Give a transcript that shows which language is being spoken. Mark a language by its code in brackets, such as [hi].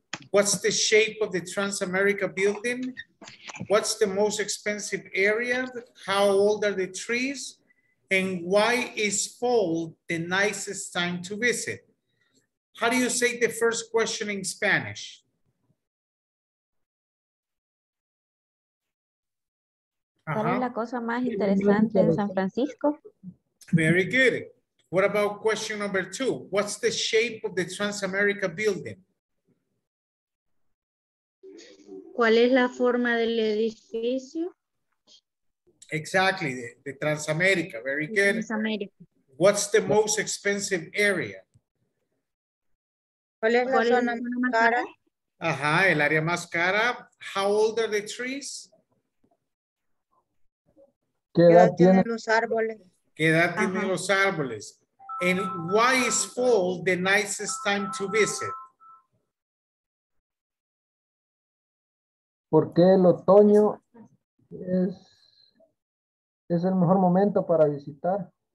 [en] What's the shape of the Transamerica building? What's the most expensive area? How old are the trees? And why is fall the nicest time to visit? How do you say the first question in Spanish? [es] ¿Cuál es la cosa más interesante en San Francisco? [en] Very good. What about question number 2? What's the shape of the Transamerica building? [es] ¿Cuál es la forma del edificio? [en] Exactly, the Transamerica. Very good. Transamerica. What's the most expensive area? [es] ¿Cuál es la zona más cara? Ajá, el área más cara. [en] How old are the trees? [es] ¿Qué edad tienen los árboles? ¿Qué edad tienen los árboles? [en] And why is fall the nicest time to visit? [es] Porque el otoño es el mejor momento para visitar.